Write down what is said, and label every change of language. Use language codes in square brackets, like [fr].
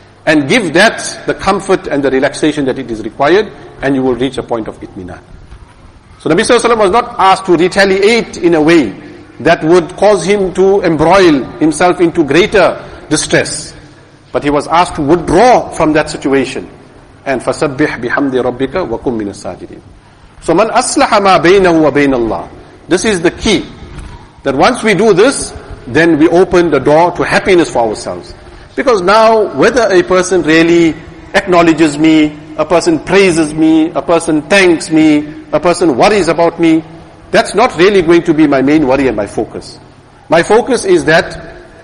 [en] And give that the comfort and the relaxation that it is required, and you will reach a point of itminan. So Nabi SAW was not asked to retaliate in a way that would cause him to embroil himself into greater distress. But he was asked to withdraw from that situation. And [ar] فَسَبِّحْ بِحَمْدِ رَبِّكَ وَكُمْ مِنَ السَّاجِدِينَ. [en] So [ar] مَنْ أَصْلَحَ مَا بَيْنَهُ وَبَيْنَ اللَّهِ. [en] This is the key. That once we do this, then we open the door to happiness for ourselves. Because now, whether a person really acknowledges me, a person praises me, a person thanks me, a person worries about me, that's not really going to be my main worry and my focus. My focus is that